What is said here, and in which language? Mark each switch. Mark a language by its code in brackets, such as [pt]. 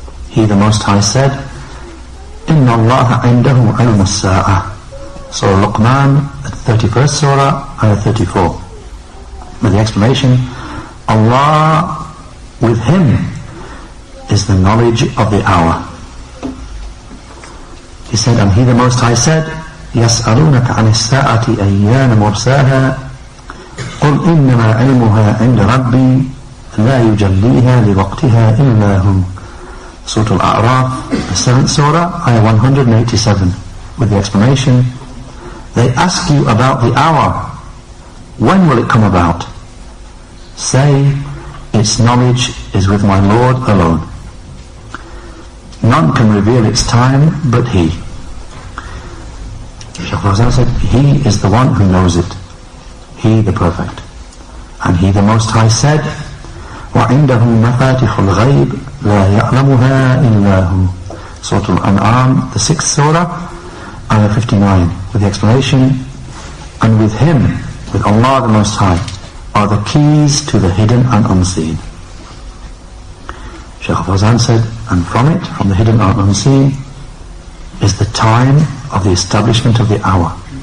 [en] He the Most High said, [ar] إِنَّ اللَّهَ عِنْدَهُ عِلْمُ السَّاعَةِ. [en] Surah Luqman, the 31st surah, ayah 34. With the explanation, Allah with him is the knowledge of the hour. He said, and he the Most High said, [ar] يَسْأَلُونَكَ عَنِ السَّاعَةِ أَيَّانَ مُرْسَاهَا قُلْ إِنَّمَا عِلْمُهَا عِنْدَ رَبِّي لَا يُجَلِّيهَا لِوَقْتِهَا إِلَّا هُمْ. [en] Surah Al-A'raf, the 7th surah, ayah 187. With the explanation, they ask you about the hour. When will it come about? Say, its knowledge is with my Lord alone. None can reveal its time but he. Shaykh Fawzan said, he is the one who knows it. He the perfect. And he the Most High said, [ar] وَعِنْدَهُ مَفَاتِحُ الْغَيْبِ لَا يَعْلَمُهَا إِلَّا هُمْ. [en] Surah Al-An'am, the 6th surah, ayah 59. With the explanation, and with him, with Allah the Most High, are the keys to the hidden and unseen. Shaykh Fawzan said, and from it, from the hidden and unseen, is the time of the establishment of the hour.